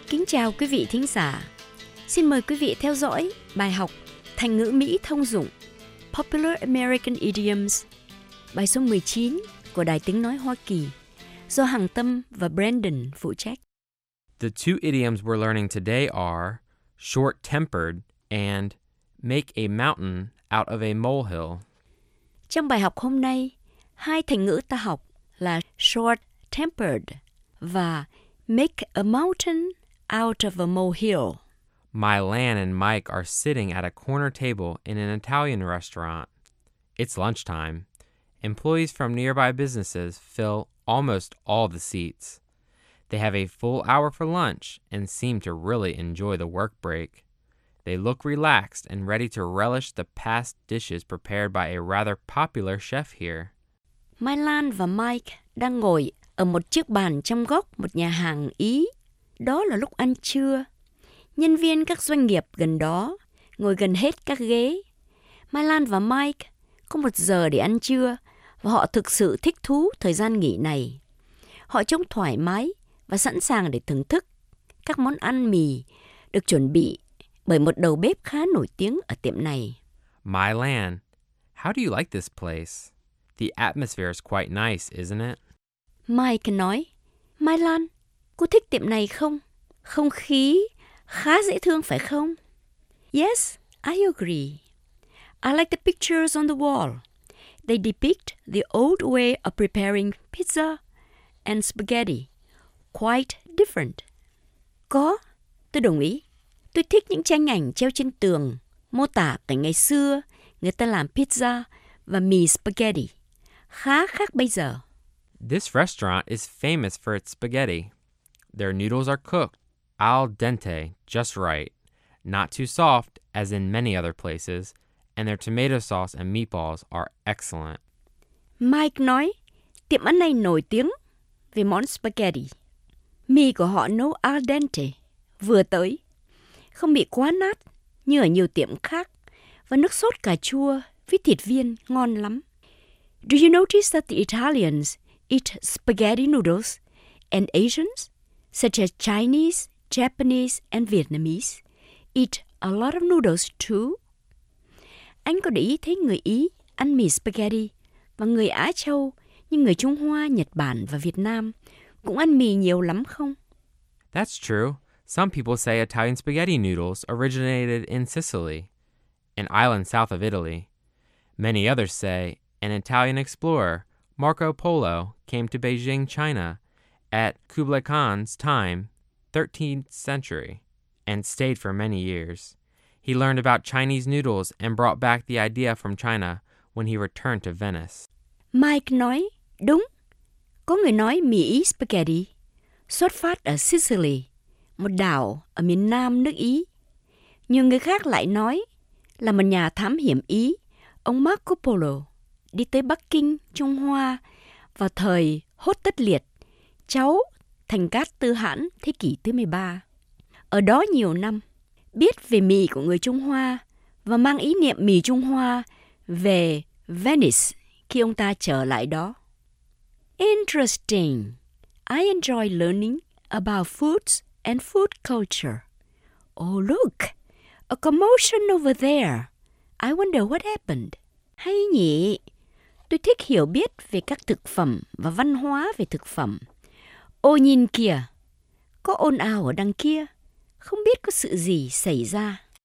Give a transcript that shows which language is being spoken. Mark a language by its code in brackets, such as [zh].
[vi] Chào quý vị thính giả. Xin mời quý vị theo dõi bài học thành ngữ Mỹ thông dụng Popular American Idioms, bài số 19 của Đài Tiếng Nói Hoa Kỳ, do Hằng Tâm và Brandon phụ trách. [en] The two idioms we're learning today are short-tempered and make a mountain out of a molehill. [vi] Trong bài học hôm nay, hai thành ngữ ta học là short-tempered và [en] make a mountain out of a molehill. Mylan and Mike are sitting at a corner table in an Italian restaurant. It's lunchtime. Employees from nearby businesses fill almost all the seats. They have a full hour for lunch and seem to really enjoy the work break. They look relaxed and ready to relish the past dishes prepared by a rather popular chef here. [vi] Mylan và Mike đang ngồi ở một chiếc bàn trong góc một nhà hàng Ý. Đó là lúc ăn trưa. Nhân viên các doanh nghiệp gần đó ngồi gần hết các ghế. Mylan và Mike có một giờ để ăn trưa và họ thực sự thích thú thời gian nghỉ này. Họ trông thoải mái và sẵn sàng để thưởng thức các món ăn mì được chuẩn bị bởi một đầu bếp khá nổi tiếng ở tiệm này. [en] Mylan, how do you like this place? The atmosphere is quite nice, isn't it? [vi] Mike nói, Mylan, cô thích tiệm này không? Không khí khá dễ thương phải không? [en] Yes, I agree. I like the pictures on the wall. They depict the old way of preparing pizza and spaghetti. Quite different. [vi] Có, tôi đồng ý. Tôi thích những tranh ảnh treo trên tường mô tả cảnh ngày xưa người ta làm pizza và mì spaghetti. Khá khác bây giờ. [en] This restaurant is famous for its spaghetti. Their noodles are cooked al dente, just right, not too soft as in many other places, and their tomato sauce and meatballs are excellent. [vi] Mike nói, tiệm ăn này nổi tiếng vì món spaghetti. Mì của họ nấu al dente, vừa tới, không bị quá nát như ở nhiều tiệm khác, và nước sốt cà chua với thịt viên ngon lắm. [en] Do you notice that the Italians eat spaghetti noodles and Asians, such as Chinese, Japanese, and Vietnamese, eat a lot of noodles too. [vi] Anh có để ý thấy người Ý ăn mì spaghetti và người Á Châu như người Trung Hoa, Nhật Bản và Việt Nam cũng ăn mì nhiều lắm không? [en] That's true. Some people say Italian spaghetti noodles originated in Sicily, an island south of Italy. Many others say an Italian explorer, Marco Polo, came to Beijing, China, at Kublai Khan's time, 13th century, and stayed for many years. He learned about Chinese noodles and brought back the idea from China when he returned to Venice. [vi] Mike nói, đúng. Có người nói mì Ý spaghetti xuất phát ở Sicily, một đảo ở miền nam nước Ý. Nhiều người khác lại nói là một nhà thám hiểm Ý, ông Marco Polo, đi tới Bắc Kinh, Trung Hoa vào thời Hốt Tất Liệt, cháu Thành Cát Tư Hãn thế kỷ thứ 13. Ở đó nhiều năm, biết về mì của người Trung Hoa và mang ý niệm mì Trung Hoa về Venice khi ông ta trở lại đó. [en] Interesting. I enjoy learning about foods and food culture. Oh, look. A commotion over there. I wonder what happened. [vi] Hay nhỉ. Tôi thích hiểu biết về các thực phẩm và văn hóa về thực phẩm. Ô nhìn kìa, có ồn ào ở đằng kia. Không biết có sự gì xảy ra.